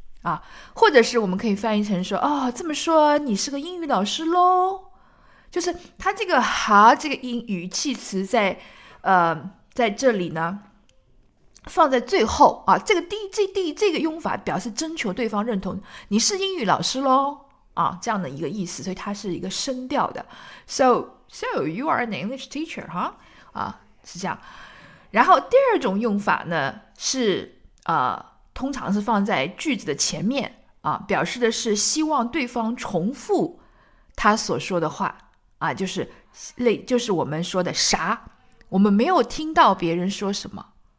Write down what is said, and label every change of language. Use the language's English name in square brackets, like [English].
[Chinese] 啊，或者是我们可以翻译成说，哦，这么说你是个英语老师喽，就是他这个哈这个音语气词在这里呢。放在最后啊，这个用法表示征求对方认同，你是英语老师喽啊，这样的一个意思，所以它是一个升调的。 [English] So you are an English teacher, [Chinese] 哈，是这样。然后第二种用法呢是通常是放在句子的前面啊，表示的是希望对方重复他所说的话啊，就是我们说的啥，我们没有听到别人说什么。